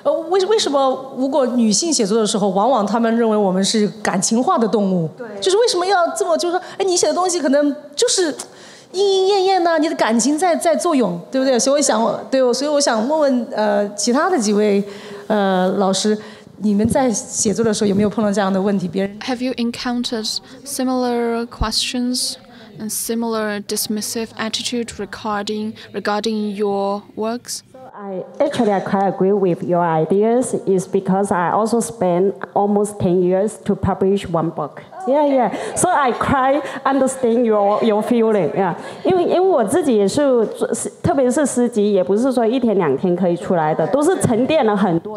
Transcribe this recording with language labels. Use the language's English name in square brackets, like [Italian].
[Chinese] 为什么如果女性写作的时候，往往她们认为我们是感情化的动物？对，就是为什么要这么就是说，哎，你写的东西可能就是莺莺燕燕呢，你的感情在作用，对不对？所以我想，对，所以我想问问其他的几位老师。 [English] Have you encountered similar questions and similar dismissive attitude regarding your works? I quite agree with your ideas. It's because I also spent almost 10 years to publish one book. Yeah, yeah. So I quite understand your feeling. Yeah. [Chinese] 因为我自己也是，特别是诗集，也不是说一天两天可以出来的，都是沉淀了很多。